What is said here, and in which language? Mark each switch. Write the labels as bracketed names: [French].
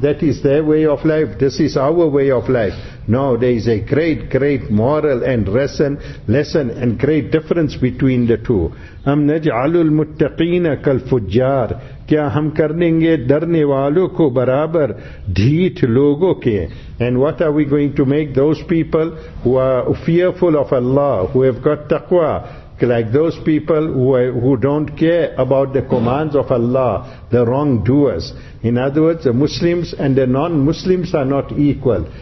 [English] That is their way of life. This is our way of life. No, there is a great, great moral and lesson and great difference between the two. [Arabic] أَمْ نَجْعَلُ الْمُتَّقِينَ كَالْفُجَّارِ [Urdu] کیا ہم کرنیں گے ڈرنے والوں کو برابر ڈھیٹ لوگوں کے. [English] And what are we going to make those people who are fearful of Allah, who have got taqwa, like those people who don't care about the commands of Allah, the wrongdoers. In other words, the Muslims and the non-Muslims are not equal.